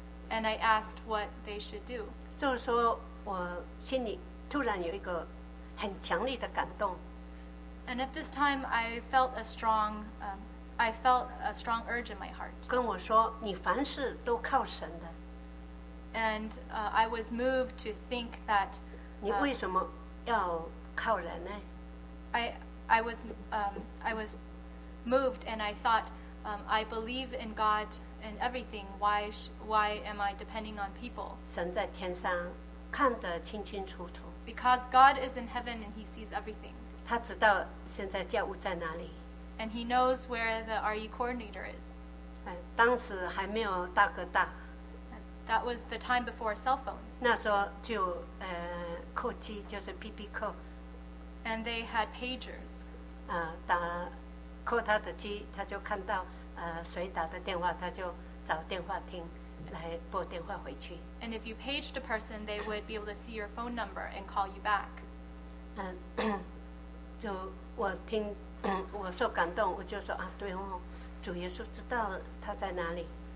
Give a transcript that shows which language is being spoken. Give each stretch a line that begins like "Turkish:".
English: And I asked what they should do.
Chinese: 就是说我心里突然有一个很强烈的感动。
English: And at this time, I felt a strong urge in my heart.
Chinese: 跟我说，你凡事都靠神的。
English: And I was moved to think that.
Chinese: 你为什么要靠人呢？
English: I was moved, and I thought, I believe in God and everything. Why am I depending on people?
Chinese: 神在天上看得清清楚楚。
English: Because God is in heaven and He sees everything.
Chinese: 他知道现在教务在哪里。
English: And He knows where the RE coordinator is.
Chinese: 当时还没有大哥大。
English: That was the time before cell phones.
Chinese: 那时候就扣机，就是 PP 扣。
English: And they had pagers.
Chinese: 打扣他的机，他就看到谁打的电话，他就找电话听来拨电话回去。
English: And if you paged a person, they would be able to see your phone number and call you back.
Chinese: 就我听我受感动，我就说啊，对哦，主耶稣知道他在哪里。